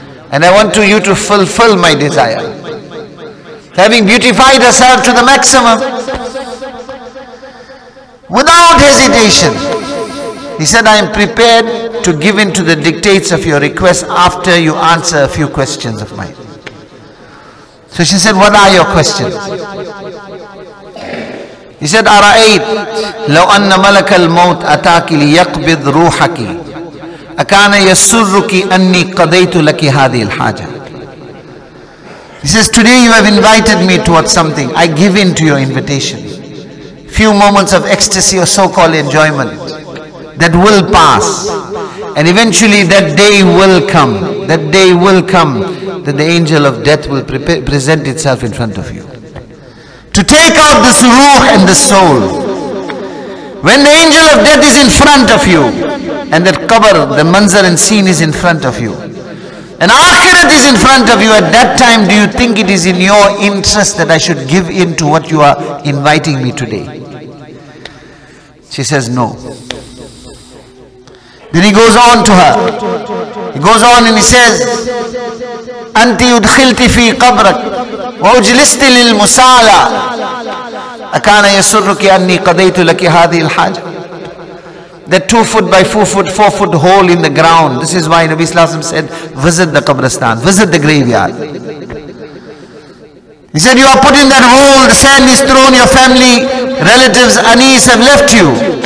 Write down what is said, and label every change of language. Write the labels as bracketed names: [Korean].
[English] And I want to you to fulfill my desire. Having beautified herself to the maximum, without hesitation, he said, I am prepared to give in to the dictates of your request after you answer a few questions of mine. So she said, what are your questions? He said, [Arabic] أرأيت لو أن ملك الموت أتاك ليقبض روحك أكان يسرك أني قضيت لك هذه الحاجة. [English] He says, today you have invited me towards something. I give in to your invitation. Few moments of ecstasy or so-called enjoyment that will pass. And eventually that day will come. That day will come that the angel of death will present itself in front of you. To take out this ruh and the soul. When the angel of death is in front of you, and that qabr, the manzar and scene is in front of you, and akhirat is in front of you, at that time, do you think it is in your interest that I should give in to what you are inviting me today? She says, no. Then he goes on to her. He goes on and he says, [Arabic] أنتي أدخلتي في قبرك وأجلستي للمسالة أكان يسرك أني قضيت لك هذه الحاجة. [English] That 2 foot by 4 foot, 4 foot hole in the ground. This is why Nabi Sallallahu Alaihi Wasallam said, visit the Qabristan, visit the graveyard. He said, you are put in that hole, the sand is thrown, your family, relatives, anis have left you.